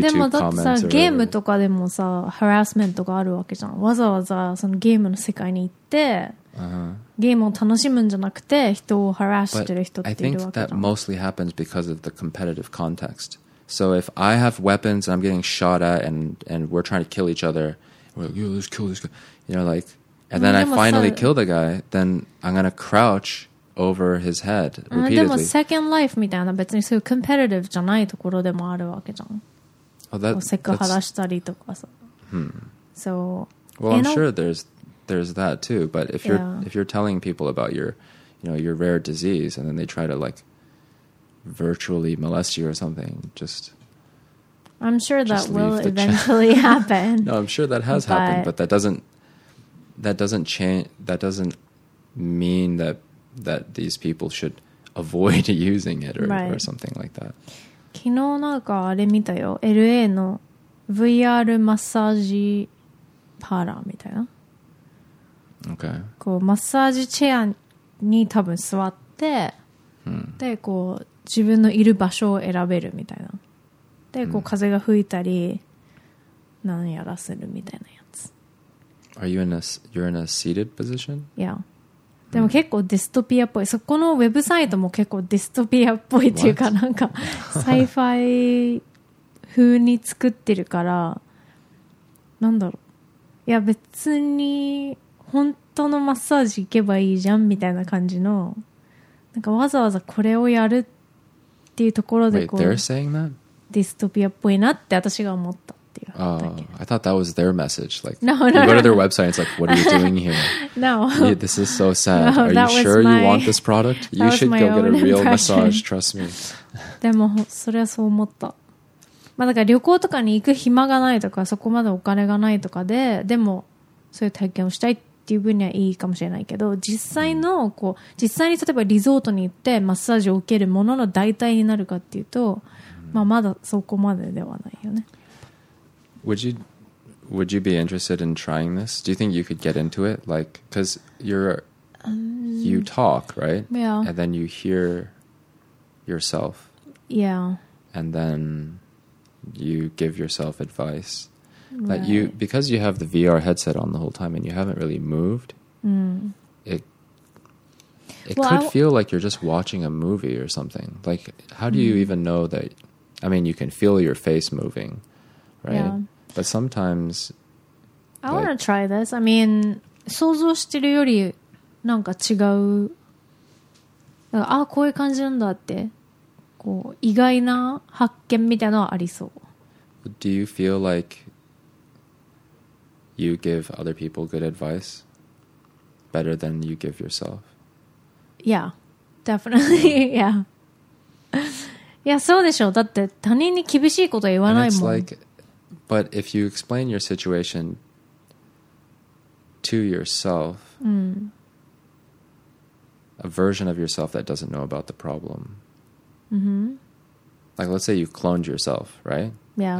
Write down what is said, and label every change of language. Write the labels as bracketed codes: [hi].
[ja] でもだってさ、ゲームとかでもさ、ハラスメントがあるわけじゃん。わざわざそのゲームの世界に行って、ゲームを楽しむんじゃなくて、人をハラしてる人っているわけじゃん。 [en] But I think that mostly happens because of the competitive context. So if I have weapons and I'm getting shot at and we're trying to kill each other, we're like, yo, let's kill this guy. You know, like, and then I finally kill the guy, then I'm going to crouch over his head repeatedly. [ja] でも Second Life みたいな別にそういうコンペティティブじゃないところでもあるわけじゃん。 [en] Oh, that, [ja] セクハラしたりとかさ。 [en] So, well, I'm sure there's that too, but if you're telling people about your, you know, your rare disease and then they try to like virtually molest you or something, just... I'm sure that will eventually happen. No, I'm sure that has happened, but that doesn't change, that doesn't mean that these people should avoid using it or something like that. [ja] 昨日なんかあれ見たよ。 LA の VR マッサージパーラーみたいな。 [en] Okay. [ja] こうマッサージチェアに多分座って、でこう自分のいる場所を選べるみたいな。でこう風が吹いたり、何やらせるみたいなやつ。 [en] Are you in a seated position? Yeah. [ja] でも結構ディストピアっぽい。そこのウェブサイトも結構ディストピアっぽいっていうか、なんかサイファイ風に作ってるから、なんだろう、いや別に本当のマッサージ行けばいいじゃんみたいな感じの、なんかわざわざこれをやるっていうところでこう、 [en] Wait, they're saying that? [ja] ディストピアっぽいなって私が思った。 [en] I thought that was their message. Like, no. You go to their website, it's like, what are you doing here? No. This is so sad. No, are you sure you want this product? You should go get a real massage, trust me. [ja] でも、それはそう思った。まあ、だから旅行とかに行く暇がないとか、そこまでお金がないとかで、でも、そういう体験をしたいっていう分にはいいかもしれないけど、実際の、こう、実際に例えばリゾートに行ってマッサージを受けるものの代替になるかっていうと、まあ、まだそこまでではないよね。 [en] Would you be interested in trying this? Do you think you could get into it? Like, because you talk, right? Yeah. And then you hear yourself. Yeah. And then you give yourself advice. Right. Like you, because you have the VR headset on the whole time and you haven't really moved, it could feel like you're just watching a movie or something. Like, how do you even know that? I mean, you can feel your face moving, right? Yeah. But sometimes, I want to try this. I mean, [ja] 想像してるよりなんか違う。あ、こういう感じなんだって、こう意外な発見みたいなのはありそう。 [en] Do you feel like you give other people good advice better than you give yourself. Yeah, definitely. Yeah. Yeah, [ja] そうでしょう。だって他人に厳しいこと言わないもん。 [en] It's like, but if you explain your situation to yourself, a version of yourself that doesn't know about the problem. Mm-hmm. Like, let's say you cloned yourself, right? Yeah.